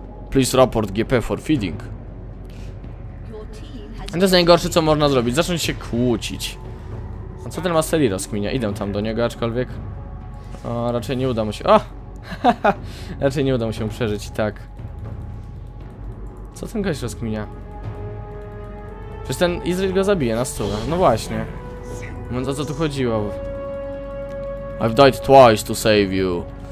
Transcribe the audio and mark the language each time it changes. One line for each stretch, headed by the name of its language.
English: Please report GP for feeding.
Polish: To jest najgorsze, co można zrobić. Zacząć się kłócić. A co ten Mastery rozkminia? Idę tam do niego, aczkolwiek. O, raczej nie uda mu się... O! Raczej nie uda mu się przeżyć i tak. Co ten gość rozkminia? Przecież ten Ezreal go zabije na stole. No właśnie. Mówiąc, o co tu chodziło?
English: I've died twice to save you.